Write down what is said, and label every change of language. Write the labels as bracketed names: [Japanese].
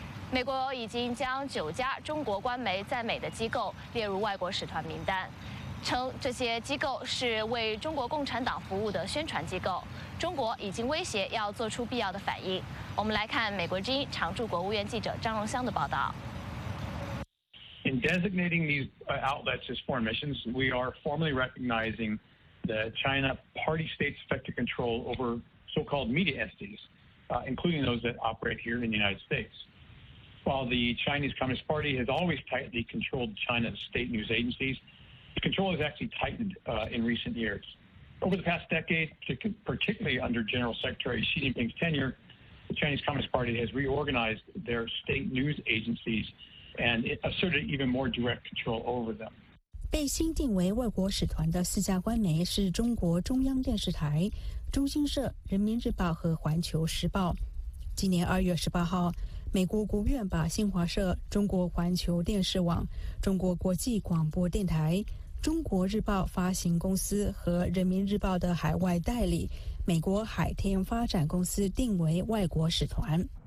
[Chinese] 美国已经将9家中国官媒在美的机构列入外国使团名单，称这些机构是为中国共产党服务的宣传机构。中国已经威胁要做出必要的反应。我们来看美国之音常驻国务院记者张荣香的报道。 [English] In designating these outlets as foreign missions, we are formally recognizing the China Party State's effective control over so-called media entities, including those that operate here in the United States. While the Chinese Communist Party has always tightly controlled China's state news agencies, the control has actually tightened in recent years. Over the past decade, particularly under General Secretary Xi Jinping's tenure, the Chinese Communist Party has reorganized their state news agencies. And it asserted even more direct control over them. [Chinese] 被新定为外国使团的四家官媒是中国中央电视台、中新社、人民日报和环球时报。今年2月18号，美国国务院把新华社、中国环球电视网、中国国际广播电台、中国日报发行公司和人民日报的海外代理美国海天发展公司定为外国使团。